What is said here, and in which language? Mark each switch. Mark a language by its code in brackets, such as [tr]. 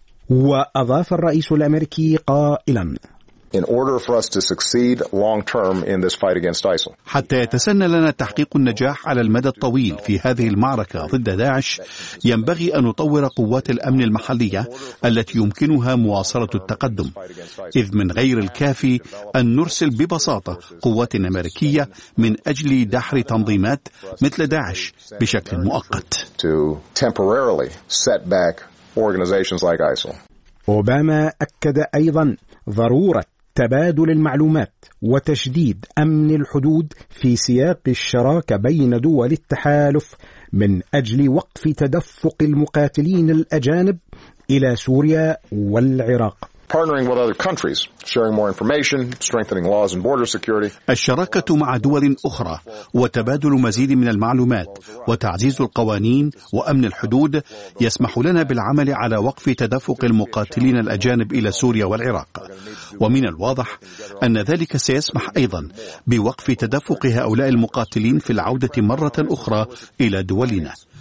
[ar] وأضاف الرئيس الأمريكي قائلا: [en] In order for us to succeed long term in this fight against ISIL. [ar] حتى يتسنى لنا تحقيق النجاح على المدى الطويل في هذه المعركة ضد داعش، ينبغي أن نطور قوات الأمن المحلية التي يمكنها مواصلة التقدم، إذ من غير الكافي أن نرسل ببساطة قوات أمريكية من أجل دحر تنظيمات مثل داعش بشكل مؤقت. [en] To temporarily set back organizations like ISIL. [ar] أوباما أكد أيضا ضرورة تبادل المعلومات وتشديد أمن الحدود في سياق الشراكة بين دول التحالف من أجل وقف تدفق المقاتلين الأجانب إلى سوريا والعراق. [en] Partnering with other countries, sharing more information, strengthening laws and border security. [ar] الشراكة مع دول أخرى وتبادل مزيد من المعلومات وتعزيز القوانين وأمن الحدود يسمح لنا بالعمل على وقف تدفق المقاتلين الأجانب إلى سوريا والعراق. ومن الواضح أن ذلك سيسمح أيضا بوقف تدفق هؤلاء المقاتلين في العودة مرة أخرى إلى دولنا.